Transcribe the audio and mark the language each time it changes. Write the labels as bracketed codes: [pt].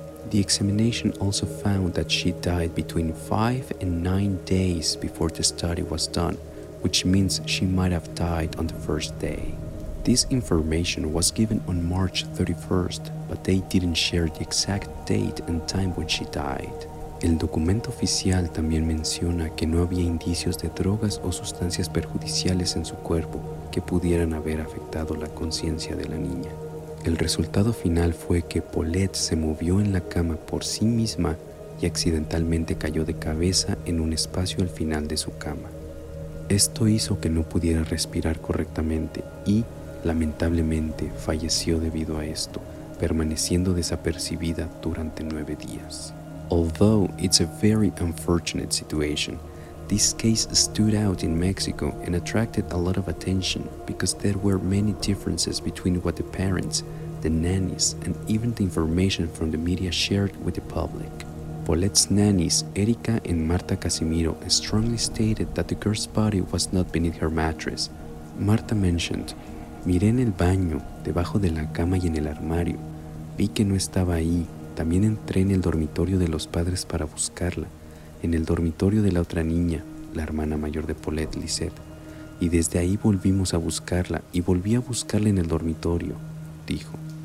[en] The examination also found that she died between 5 and 9 days before the study was done, which means she might have died on the first day. This information was given on March 31st, but they didn't share the exact date and time when she died. [es] El documento oficial también menciona que no había indicios de drogas o sustancias perjudiciales en su cuerpo que pudieran haber afectado la conciencia de la niña. El resultado final fue que Paulette se movió en la cama por sí misma y accidentalmente cayó de cabeza en un espacio al final de su cama. Esto hizo que no pudiera respirar correctamente y, lamentablemente, falleció debido a esto, permaneciendo desapercibida durante 9 días. [en] Although it's a very unfortunate situation, this case stood out in Mexico and attracted a lot of attention because there were many differences between what the parents, the nannies, and even the information from the media shared with the public. Paulette's nannies, Erika and Marta Casimiro, strongly stated that the girl's body was not beneath her mattress. Marta mentioned, [es] "Miré en el baño, debajo de la cama y en el armario. Vi que no estaba ahí. También entré en el dormitorio de los padres para buscarla. En el dormitorio de la otra niña, la hermana mayor de Paulette, Lisette. Y desde ahí volvimos a buscarla y volví a buscarla en el dormitorio", dijo.